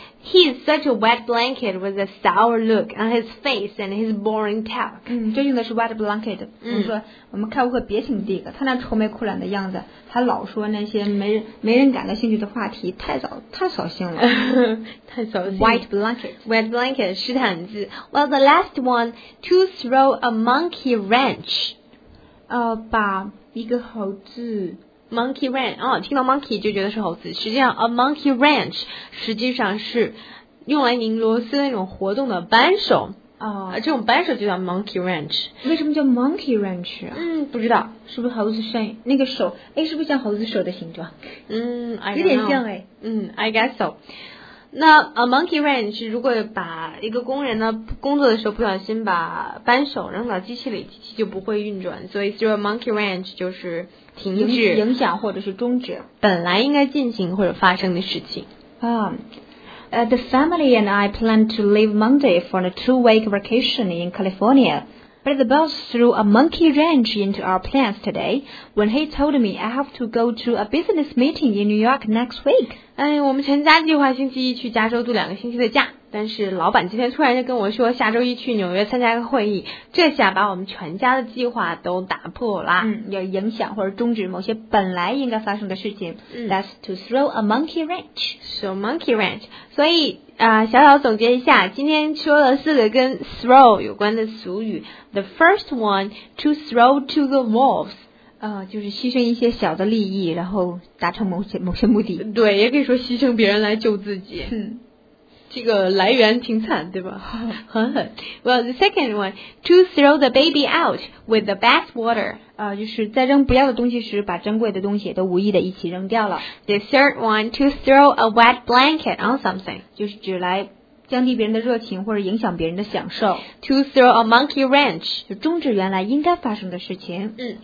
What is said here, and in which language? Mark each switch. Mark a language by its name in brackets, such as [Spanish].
[English] He is such a wet blanket with a sour look on his face and his boring talk. [Chinese] 这用的是 wet blanket. 我们说，我们开会别请 Dick， 他那愁眉苦脸的样子，他老说那些没人感到兴趣的话题，太扫兴了。太扫兴。 [English] White blanket. [Chinese] Wet blanket， 湿毯子。 [English] Well, the last one, to throw a monkey wrench. [Chinese] 把一个猴子 monkey ranch 听到 monkey 就觉得是猴子，实际上 a monkey ranch 实际上是用来拧螺丝那种活动的扳手这种扳手就叫 monkey ranch。为什么叫 monkey ranch 啊？不知道，是不是猴子身那个手，是不是像猴子手的形状？有点像。 [English] I guess so。 [Chinese] 那 a monkey ranch 如果把一个工人呢工作的时候不小心把扳手扔到机器里，机器就不会运转，所以 through a monkey ranch 就是停止影响或者是终止本来应该进行或者发生的事情。 [English] The family and I plan to leave Monday for a 2-week vacation in California, but the boss threw a monkey ranch into our plans today when he told me I have to go to a business meeting in New York next week. [Chinese] 我们全家计划星期一去加州度两个星期的假，但是老板今天突然就跟我说下周一去纽约参加一个会议，这下把我们全家的计划都打破了。要影响或者终止某些本来应该发生的事情。 [English] That's to throw a monkey wrench. So monkey wrench. [Chinese] 所以小小总结一下，今天说了四个跟 throw 有关的俗语。 [English] The first one, to throw to the wolves. [Chinese] 就是牺牲一些小的利益，然后达成某些目的。对，也可以说牺牲别人来救自己。这个来源挺惨，对吧？狠狠。 [English] Well, the second one, to throw the baby out with the bath water. [Chinese] 就是在扔不要的东西时，把珍贵的东西都无意的一起扔掉了。 [English] The third one, to throw a wet blanket on something. [Chinese] 就是指来降低别人的热情或者影响别人的享受。 [English] To throw a monkey wrench. [Chinese] 就终止原来应该发生的事情。